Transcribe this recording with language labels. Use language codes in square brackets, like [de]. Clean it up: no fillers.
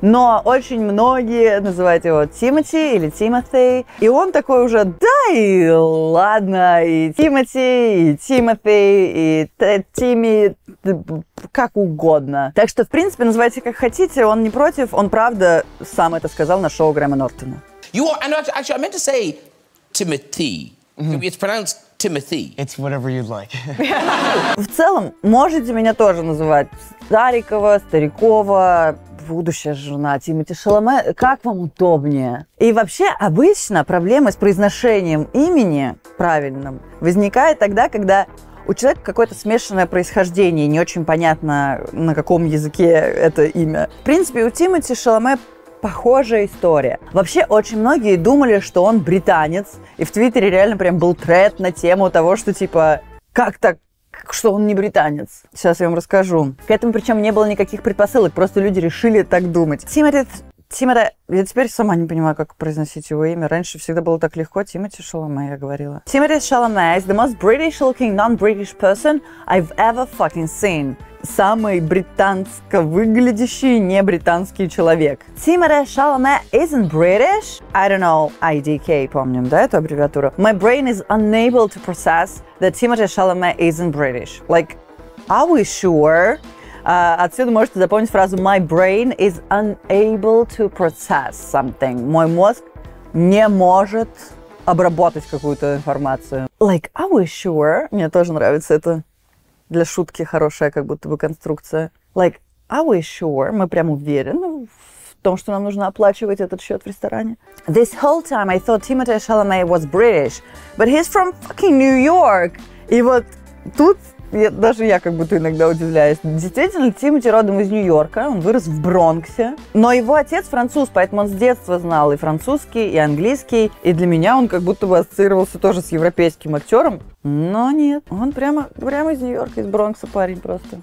[ru] Но очень многие называют его Тимоти или Тимофей, и он такой уже, да и ладно, и Тимоти, и Тимофей, и Тимми, как угодно. Так что, в принципе, называйте как хотите, он не против, он правда сам это сказал на шоу Грэма Нортона. [en] You are, and actually, I meant to say Timothy. Mm-hmm. It's pronounced Timothy. It's whatever you'd like. [ru] В целом, можете меня тоже называть Старикова, Старикова, будущая жена Тимоти Шаломе, как вам удобнее. И вообще, обычно проблемы с произношением имени правильным возникают тогда, когда у человека какое-то смешанное происхождение, не очень понятно, на каком языке это имя. В принципе, у Тимоти Шаломе похожая история. Вообще, очень многие думали, что он британец, и в Твиттере реально прям был тред на тему того, что типа, как так? Что он не британец. Сейчас я вам расскажу. К этому причем не было никаких предпосылок, просто люди решили так думать. Тимоти, я теперь сама не понимаю, как произносить его имя. Раньше всегда было так легко. Тимоти Шаломе, я говорила. [en] Тимоти Шаломе is the most British-looking non-British person I've ever fucking seen. [ru] Самый британско выглядящий небританский человек. [en] Тимоти Шаломе isn't British. I don't know, IDK, [ru] помним, да, эту аббревиатуру. [en] My brain is unable to process that Тимоти Шаломе isn't British. Like, are we sure? [ru] Отсюда можете запомнить фразу [en] My brain is unable to process something. [ru] Мой мозг не может обработать какую-то информацию. [en] Like, are we sure? [ru] Мне тоже нравится это. Для шутки хорошая как будто бы конструкция. [en] Like, are we sure? [ru] Мы прям уверены в том, что нам нужно оплачивать этот счет в ресторане. [en] This whole time I thought Timothy Chalamet was British, but he's from fucking New York. [ru] И вот тут даже я как будто иногда удивляюсь. Действительно, Тимоти родом из Нью-Йорка, он вырос в Бронксе. Но его отец француз, поэтому он с детства знал и французский, и английский. И для меня он как будто бы ассоциировался тоже с европейским актером. Но нет, он прямо из Нью-Йорка, из Бронкса парень просто.